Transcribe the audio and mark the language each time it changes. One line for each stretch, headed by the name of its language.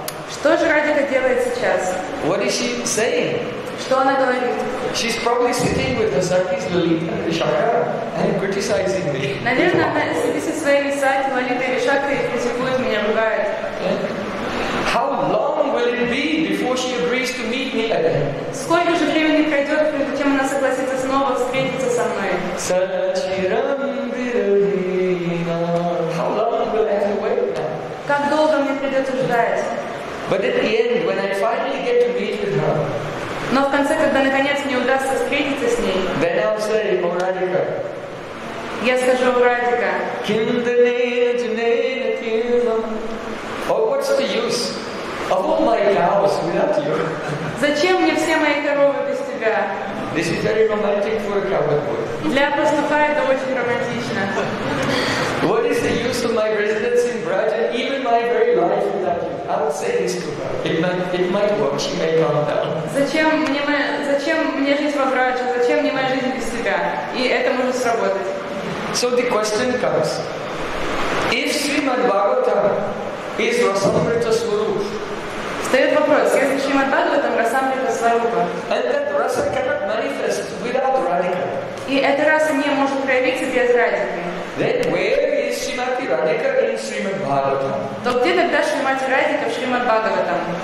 Russian: Что же Радика делает сейчас?
English: What is she saying?
Russian: Что она говорит?
English: She's probably sitting with her sakis, Lalita, Vishakha, and criticizing me.
Russian: Наверное, она сидит со своими сати, Лалита, Вишакха, и критикует меня, ругает.
English: How long will it be before she agrees to meet me again?
Russian: Сколько же времени пройдет, прежде чем она согласится снова встретиться со мной?
Sanskrit: Сачирамбирахина.
English: How long will I have to wait now?
Russian: Как долго мне придется ждать?
English: But at the end, when I finally get to meet with her,
Russian: но в конце, когда наконец мне удастся встретиться с ней,
English: then I'll say,
Russian: "О Радика." Я скажу, о Радика.
Sanskrit: Kindanena janena kinam.
English: Oh, what's the use of all my cows without you?
Russian: Зачем мне все мои коровы без тебя?
English: This is very romantic for a cowboy.
Russian: Для пастуха это очень романтично.
English: What is the use of my residence in Braj, even my very life without you? I would say this to her. It might work. She may calm down.
Russian: Зачем мне жить во Враче? Зачем мне моя жизнь без тебя? И это может сработать.
English: So the question comes: if Srimad Bhagavatam is Rasamrita Swarupa,
Russian: встает вопрос: если Srimad Bhagavatam Rasamrita Swarupa,
English: and that rasa cannot manifest without Radhika,
Russian: и эта раса не может проявиться без Радхики,
English: then where is Srimati Radhika in Srimad Bhagavatam?
Russian: То где тогда Шримати Радхика в Шримад Бхагаватам?